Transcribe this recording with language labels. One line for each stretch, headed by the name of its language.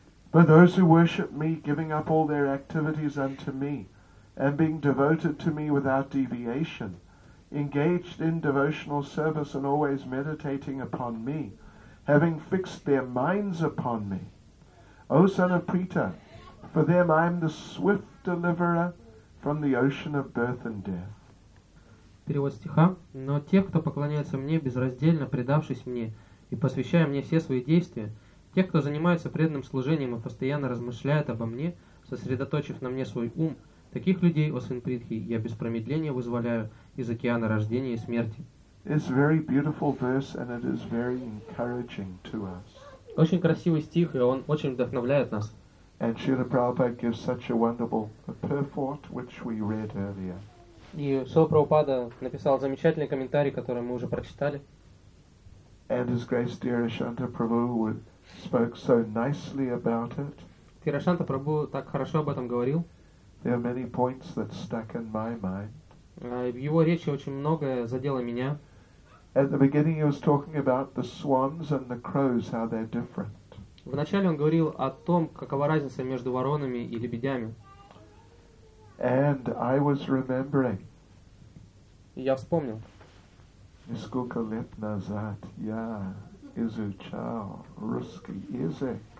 English: But those who worship me, giving up all their activities unto me, and being devoted to me without deviation, engaged in devotional service and always meditating upon me, having fixed their minds upon me. O son of Prita, for them I am the swift deliverer from the ocean of birth and death.
Russian: Перевод стиха. Но те, кто поклоняется мне, безраздельно предавшись мне и посвящая мне все свои действия, те, кто занимается преданным служением и постоянно размышляет обо мне, сосредоточив на мне свой ум, таких людей, о сын Притхи, я без промедления вызволяю из океана рождения и смерти.
English: It's very beautiful verse, and it is very encouraging to us.
Russian: Очень красивый стих, и он очень вдохновляет нас.
English: And Srila Prabhupada gives such a wonderful purport, which we read earlier.
Russian: И Srila Prabhupada написал замечательный комментарий, который мы уже прочитали.
English: And His Grace Dear Ashanta Prabhu spoke so nicely about it.
Russian: Тирашанта Прабху так хорошо об этом говорил.
English: There are many points that stuck in my mind.
Russian: В его речи очень многое задело меня.
English: At the beginning he was talking about the swans and the crows, how they're different.
Russian: Вначале он говорил о том, какова разница между воронами и лебедями.
English: And I was remembering.
Russian: Я вспомнил. Несколько лет назад я изучал русский язык.